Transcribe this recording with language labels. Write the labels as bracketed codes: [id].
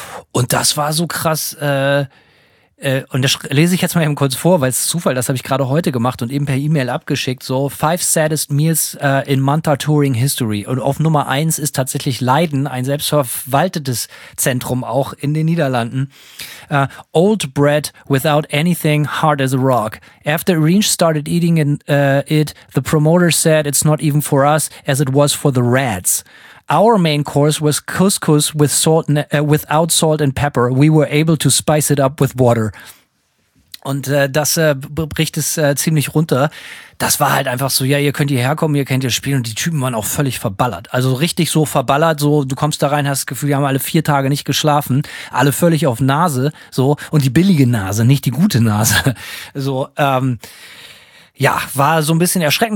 [de] Und das war so krass. Und das lese ich jetzt mal eben kurz vor, weil es ist Zufall, das habe ich gerade heute gemacht und eben per E-Mail abgeschickt, so [en] 5 saddest meals in Manta Touring History. [de] Und auf Nummer 1 ist tatsächlich Leiden, ein selbstverwaltetes Zentrum auch in den Niederlanden. [en] Old bread without anything, hard as a rock. After Arrange started eating it, the promoter said it's not even for us as it was for the rats. Our main course was couscous with salt, without salt and pepper. We were able to spice it up with water. [de] Und bricht es ziemlich runter. Das war halt einfach so, ja, ihr könnt hierher kommen, ihr könnt hier spielen. Und die Typen waren auch völlig verballert. Also richtig so verballert, so du kommst da rein, hast das Gefühl, die haben alle 4 Tage nicht geschlafen. Alle völlig auf Nase, so. Und die billige Nase, nicht die gute Nase. So, ja, war so ein bisschen erschreckend.